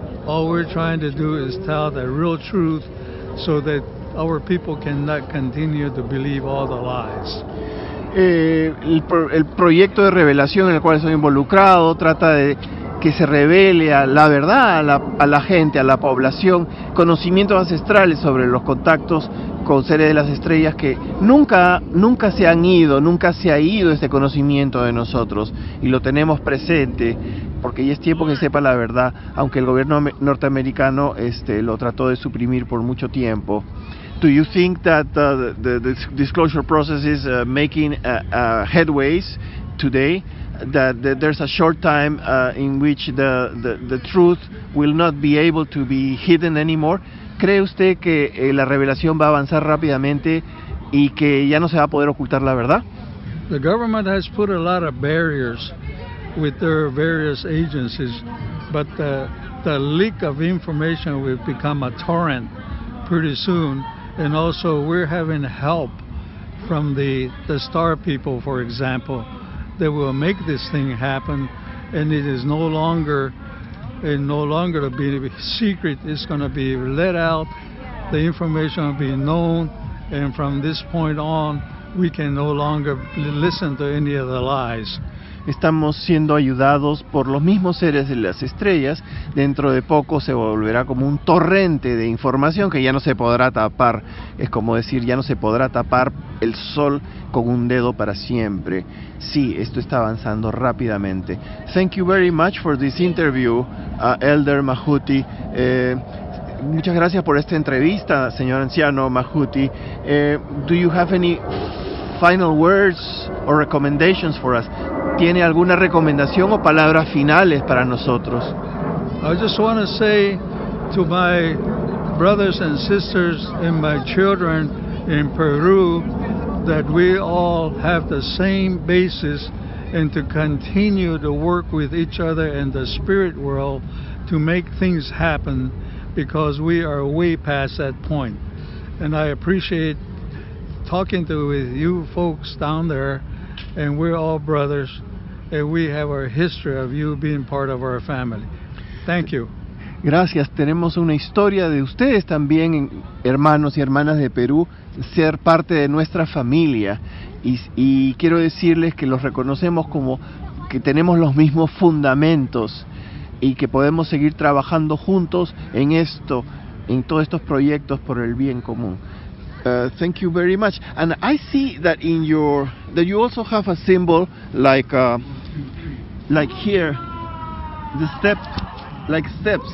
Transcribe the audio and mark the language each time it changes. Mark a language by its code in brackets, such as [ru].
[en] All we're trying to do is tell the real truth so that our people cannot continue to believe all the lies. [es] El proyecto de revelación en el cual estoy involucrado trata de que se revele a la verdad a la gente, a la población, conocimientos ancestrales sobre los contactos con seres de las estrellas, que nunca se han ido, nunca se ha ido este conocimiento de nosotros, y lo tenemos presente, porque ya es tiempo que sepa la verdad, aunque el gobierno norteamericano lo trató de suprimir por mucho tiempo. [en] Do you think that the disclosure process is making headways today? That there's a short time in which the truth will not be able to be hidden anymore? [es] ¿Cree usted que la revelación va a avanzar rápidamente y que ya no se va a poder ocultar la verdad? [en] The government has put a lot of barriers with their various agencies, but the leak of information will become a torrent pretty soon. And also we're having help from the star people, for example, that will make this thing happen. And it is no longer to be a secret. It's going to be let out, the information will be known, and from this point on we can no longer listen to any of the lies. [es] Estamos siendo ayudados por los mismos seres de las estrellas. Dentro de poco se volverá como un torrente de información que ya no se podrá tapar. Es como decir, ya no se podrá tapar el sol con un dedo para siempre. Sí, esto está avanzando rápidamente. [en] Thank you very much for this interview, Elder Mahuti. [es] Muchas gracias por esta entrevista, señor anciano Mahuti. [en] Do you have any final words or recommendations for us? [es] ¿Tiene alguna recomendación o palabras finales para nosotros? [en] I just want to say to my brothers and sisters and my children in Peru that we all have the same basis, and to continue to work with each other and the spirit world to make things happen, because we are way past that point. And I appreciate talking to with you folks down there, and we're all brothers. And we have our history of you being part of our family. Thank you. [es] Gracias. Tenemos una historia de ustedes también, hermanos y hermanas de Perú, ser parte de nuestra familia. Y quiero decirles que los reconocemos como que tenemos los mismos fundamentos y que podemos seguir trabajando juntos en esto, en todos estos proyectos por el bien común. [en] Thank you very much. And I see that you also have a symbol like here, the step, like steps.